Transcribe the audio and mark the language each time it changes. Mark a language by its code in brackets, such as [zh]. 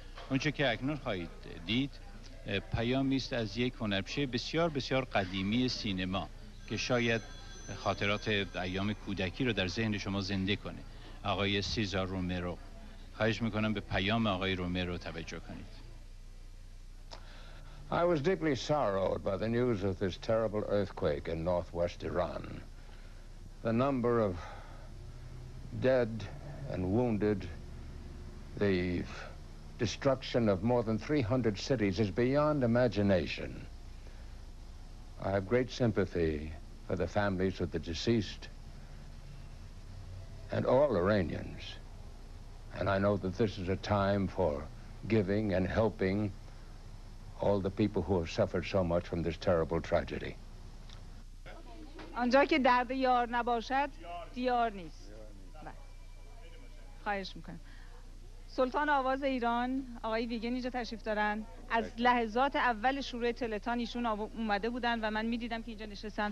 [fa] اونچه که اکنون خواهید دید پیامی است از یک هنرپیشه بسیار بسیار قدیمی سینما که شاید خاطرات ایام کودکی رو در ذهن شما زنده کنه، آقای سیزار رومرو. خواهش میکنم به پیام آقای رومرو توجه کنید. [en] I was deeply sorrowed by the news of this terrible earthquake in northwest Iran. The number of dead and wounded, the destruction of more than 300 cities is beyond imagination. I have great sympathy for the families of the deceased and all Iranians. And I know that this is a time for giving and helping all the people who have suffered so much from this terrible tragedy. [fa] آنجا که درد یار نباشد، دیار نیست. خواهش میکنم. سلطان آواز ایران، آقای ویگن اینجا تشریف دارن. از لحظات اول شروع تلتان ایشون اومده بودن و من میدیدم که اینجا نشستن.